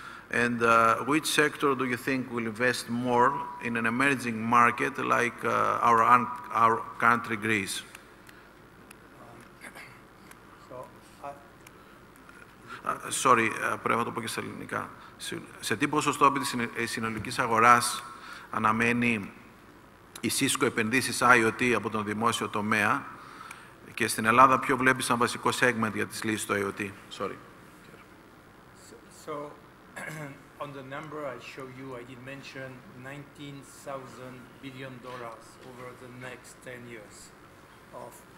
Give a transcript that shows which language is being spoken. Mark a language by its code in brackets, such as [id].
[en] And which sector do you think will invest more in an emerging market like our country, Greece? Sorry, [el] πρέπει να το πω και στα ελληνικά. Σε τι ποσοστό από τη συνολική αγορά αναμένει η Cisco επενδύσεις IoT από τον δημόσιο τομέα και στην Ελλάδα ποιο βλέπεις σαν βασικό segment για τις λύσεις στο IoT? [en] Sorry. So, on the number I show you, I did mention $19,000 billion over the next 10 years of...